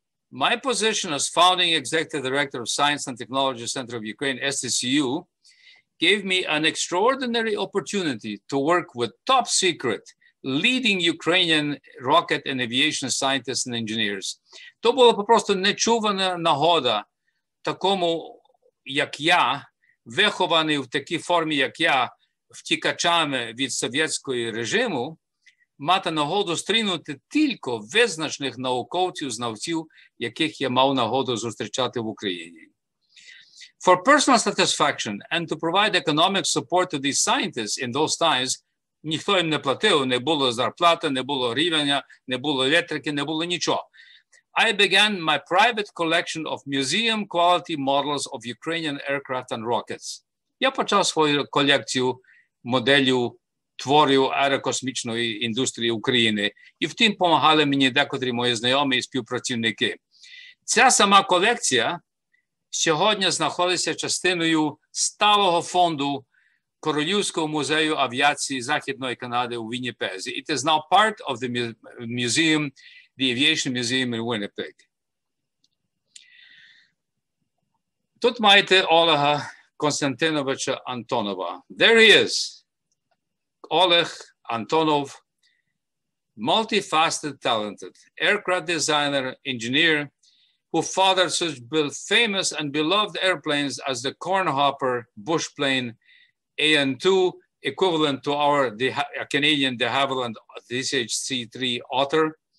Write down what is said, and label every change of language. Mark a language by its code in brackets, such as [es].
[en] My position as founding executive director of Science and Technology Center of Ukraine, STCU, gave me an extraordinary opportunity to work with top secret leading Ukrainian rocket and aviation scientists and engineers. [uk] То була просто нечувана нагода такому, як я, вихований в такій формі, як я, втікачами від совєтського режиму, мати нагоду зустрінути тільки визначних науковців, знавців, яких я мав нагоду зустрічати в Україні. [en] For personal satisfaction and to provide economic support to these scientists in those times, [uk] ніхто їм не платив, не було зарплати, не було рівня, не було електрики, не було нічого. [en] I began my private collection of museum quality models of Ukrainian aircraft and rockets. [uk] Я почав свою колекцію моделів творів аерокосмічної індустрії України, і в тім допомагали мені декотрі мої знайомі і співпрацівники. Ця сама колекція сьогодні знаходиться частиною сталого фонду Королівського музею авіації Західної Канади у Вінніпезі. [en] It is now part of the museum, the Aviation Museum in Winnipeg. [uk] Тут маєте Олега Костянтиновича Антонова. [en] There he is. Oleg Antonov, multifaceted, talented aircraft designer, engineer, who fathered such famous and beloved airplanes as the Cornhopper bush plane AN-2, equivalent to our Canadian de Havilland DCH-C3 Otter,